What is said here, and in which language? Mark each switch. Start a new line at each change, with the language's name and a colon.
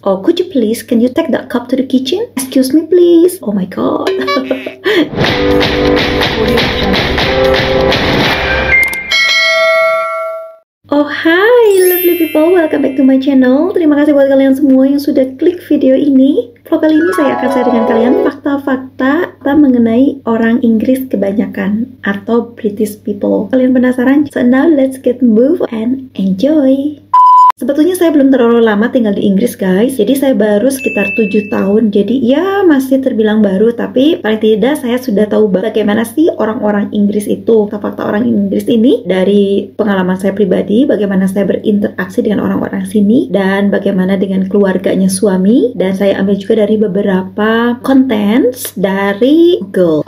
English: Or could you please, can you take that cup to the kitchen? Excuse me, please. Oh my God. Oh, hi, lovely people. Welcome back to my channel.
Indonesian: Terima kasih buat kalian semua yang sudah klik video ini. Vlog kali ini saya akan share dengan kalian fakta-fakta mengenai orang Inggris kebanyakan atau British people. Kalian penasaran?
English: So now let's get moved and enjoy.
Indonesian: Sebetulnya saya belum terlalu lama tinggal di Inggris, guys. Jadi saya baru sekitar 7 tahun. Jadi ya masih terbilang baru, tapi paling tidak saya sudah tahu bagaimana sih orang-orang Inggris itu. Fakta-fakta orang Inggris ini dari pengalaman saya pribadi, bagaimana saya berinteraksi dengan orang-orang sini dan bagaimana dengan keluarganya suami, dan saya ambil juga dari beberapa konten dari Google.